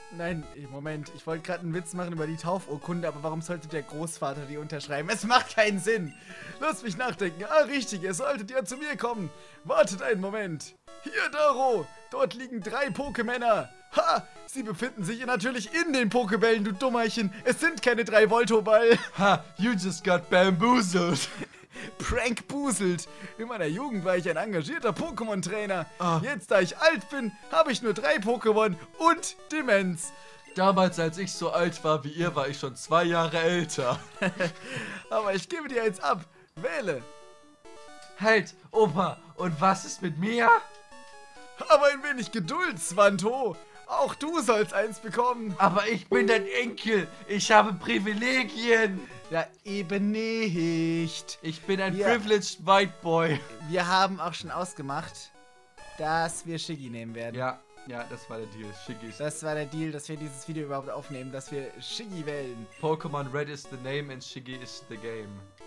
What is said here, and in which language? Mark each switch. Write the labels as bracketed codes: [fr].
[de] Nein, Moment, ich wollte gerade einen Witz machen über die Taufurkunde, aber warum sollte der Großvater die unterschreiben? Es macht keinen Sinn. Lass mich nachdenken. Ah, richtig, ihr solltet ja zu mir kommen. Wartet einen Moment. Hier, Daro, dort liegen 3 Pokémänner. Ha, sie befinden sich natürlich in den Pokébällen, du Dummerchen. Es sind keine 3 Voltoball. [en] Ha, you just got bamboozled. Prankboozled. [de] In meiner Jugend war ich ein engagierter Pokémon-Trainer. Ah. Jetzt, da ich alt bin, habe ich nur 3 Pokémon und Demenz. Damals, als ich so alt war wie ihr, war ich schon 2 Jahre älter. Aber ich gebe dir eins ab. Wähle. Halt, Opa, und was ist mit mir? Aber ein wenig Geduld, Svanto. Auch du sollst eins bekommen. Aber ich bin dein Enkel. Ich habe Privilegien. Ja, eben nicht. Ich bin ein [en] Privileged White Boy. [de] Wir haben auch schon ausgemacht, dass wir Shiggy nehmen werden. Ja, das war der Deal. Shiggy. Das war der Deal, dass wir dieses Video überhaupt aufnehmen, dass wir Shiggy wählen. [en] Pokémon Red is the name and Shiggy is the game.